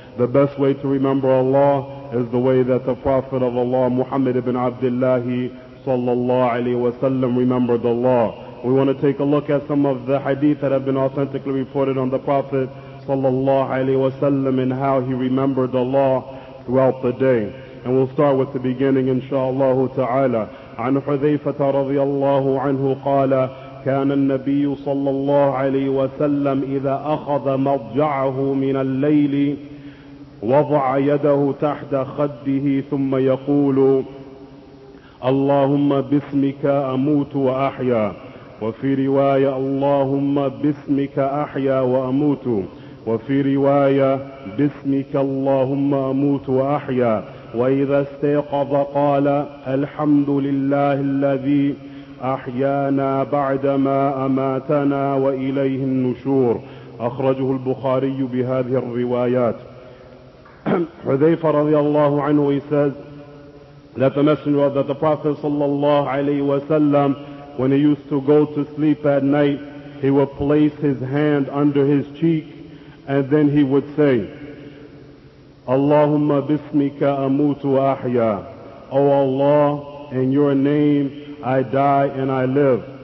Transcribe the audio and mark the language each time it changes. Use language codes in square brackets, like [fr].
[en] The best way to remember Allah is the way that the Prophet of Allah, Muhammad ibn Abdullah sallallahu alayhi wa sallam, remembered Allah. We want to take a look at some of the hadith that have been authentically reported on the Prophet sallallahu alayhi wa sallam and how he remembered Allah throughout the day. And we'll start with the beginning, inshallah ta'ala. [ar] عن حذيفة رضي الله عنه قال كان النبي صلى الله عليه وسلم إذا أخذ مضجعه من الليل وضع يده تحت خده ثم يقول اللهم باسمك أموت وأحيا. وفي رواية اللهم باسمك أحيا وأموت. وفي رواية باسمك اللهم أموت وأحيا. وإذا استيقظ قال الحمد لله الذي أحيانا بعدما أماتنا وإليه النشور. أخرجه البخاري بهذه الروايات. [en] حذيفة رضي الله عنه says that the messenger of the Prophet صلى الله عليه وسلم, when he used to go to sleep at night, he would place his hand under his cheek and then he would say, [ar] Allahumma bismika amutu ahya, [en] O Allah, in your name I die and I live.